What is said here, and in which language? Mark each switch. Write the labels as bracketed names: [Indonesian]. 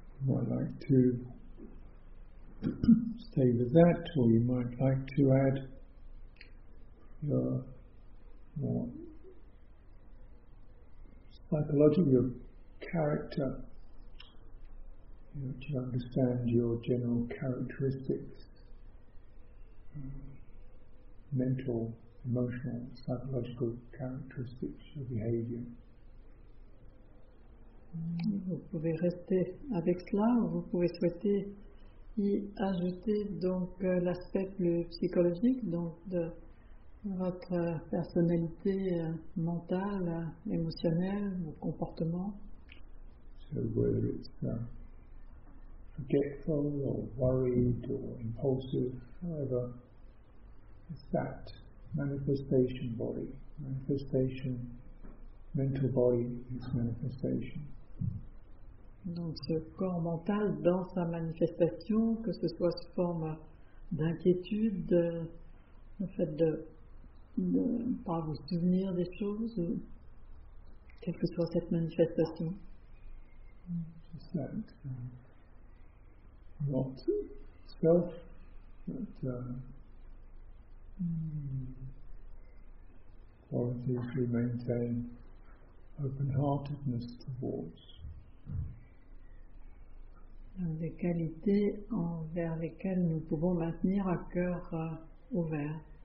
[English] I'd like to stay with that, or you might like to add your more psychological character, know, to understand your general characteristics, mental, emotional, psychological characteristics, your behavior. [French] Vous pouvez rester avec cela, ou vous pouvez souhaiter y ajouter donc l'aspect plus psychologique, donc de votre personnalité mentale, émotionnelle, vos comportements. [English] So whether it's forgetful or worried or impulsive, however, it's that manifestation body, manifestation, mental body is manifestation. [French] Donc ce corps mental dans sa manifestation, que ce soit sous forme d'inquiétude, le fait de ne pas vous souvenir des choses, quelle que soit cette manifestation. [English] Just that, not self, but qualities we maintain open-heartedness towards. [French] Des qualités envers lesquelles nous pouvons maintenir un cœur ouvert.